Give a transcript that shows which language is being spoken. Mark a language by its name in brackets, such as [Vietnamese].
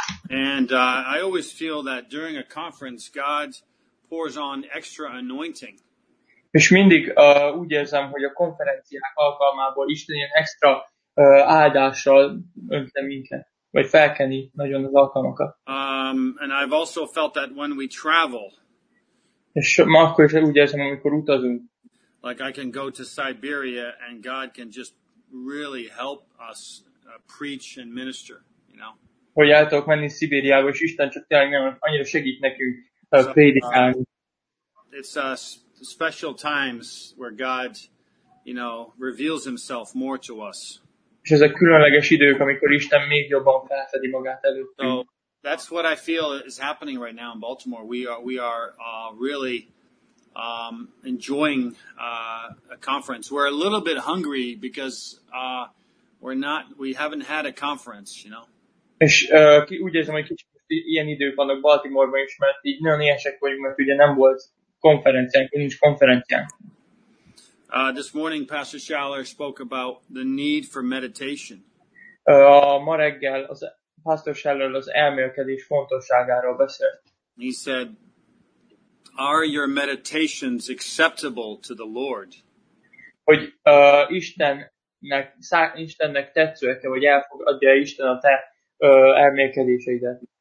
[English] And I always feel that during a conference, God pours on extra anointing. [Hungarian] És mindig úgy érzem, hogy a konferenciák alkalmából Isten ilyen extra áldással önte minket. Vagy felkeni nagyon az alkalmakat. [English] And I've also felt that when we travel. [Hungarian] És ma akkor is úgy érzem, amikor utazunk. [English] Like I can go to Siberia and God can just really help us preach and minister, you know. [Hungarian] Hogy el tudok menni Szibériába, és Isten csak tényleg nem annyira segít nekünk prédikálni. [English] It's special times where God, you know, reveals himself more to us. [Hungarian] És ez a különleges idők, amikor Isten még jobban felfedi magát előttünk. [English] So that's what I feel is happening right now in Baltimore. We are really enjoying a conference. We're a little bit hungry because we haven't had a conference, you know. [Hungarian] És úgy érzem, hogy kicsit ilyen idők vannak Baltimoreban is, mert így nagyon éhesek vagyunk, mert ugye nem volt konferenciánk, nincs konferenciánk. [English] This morning, Pastor Schaller spoke about the need for meditation. [Hungarian] Ma reggel az Pastor Schaller az elmélkedés fontosságáról beszélt. [English] He said, "Are your meditations acceptable to the Lord?" [Hungarian] Hogy Istennek tetszőek-e, vagy elfogadja Isten a te elmélkedéseidet?